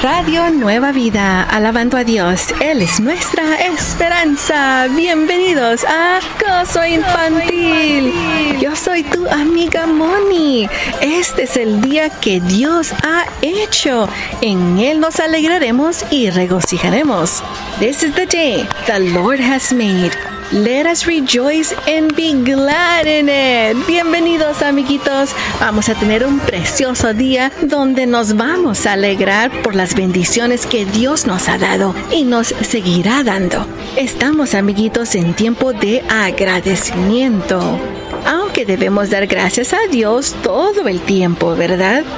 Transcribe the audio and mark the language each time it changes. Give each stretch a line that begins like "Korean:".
Spanish: Radio Nueva Vida, alabando a Dios, Él es nuestra esperanza. Bienvenidos a Gozo Infantil. Yo soy tu amiga Moni. Este es el día que Dios ha hecho. En Él nos alegraremos y regocijaremos.
English: This is the day the Lord has made. Let us rejoice and be glad in it.
Spanish: Bienvenidos, amiguitos. Vamos a tener un precioso día donde nos vamos a alegrar por las bendiciones que Dios nos ha dado y nos seguirá dando. Estamos, amiguitos, en tiempo de agradecimiento. Aunque debemos dar gracias a Dios todo el tiempo, ¿verdad?